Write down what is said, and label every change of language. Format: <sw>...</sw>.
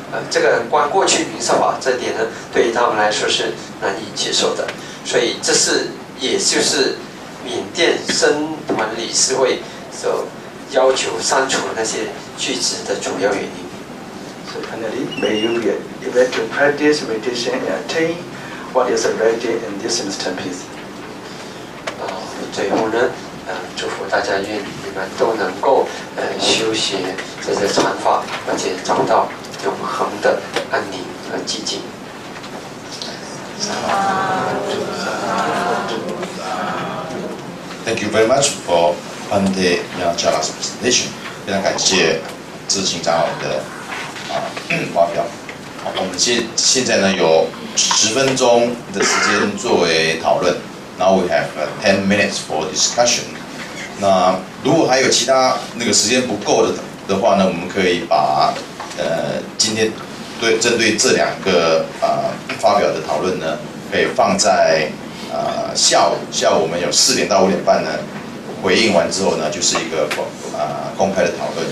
<zh>这个观过去明色法这点呢对于他们来说是难以接受的，所以这是也就是缅甸僧团理事会所要求删除那些句子的主要原因。</zh> <en>So finally, may you be able to practice meditation and attain what is already in this masterpiece.</en> <zh>最后呢，祝福大家愿你们都能够修习这些禅法，而且找到永恒的安宁和寂静。</zh> <en>Thank you very much for Pandey Nyanchala's presentation.</en> <zh>非常感谢智勤长老的发表。我们现在呢有10分钟的时间作为讨论。</zh> <en>Now we have 10 minutes for discussion.</en> <zh>那如果还有其他那个时间不够的话呢，我们可以把今天对针对这两个发表的讨论呢，可以放在下午我们有4点到5点半呢，回应完之后呢，就是一个公开的讨论。</zh>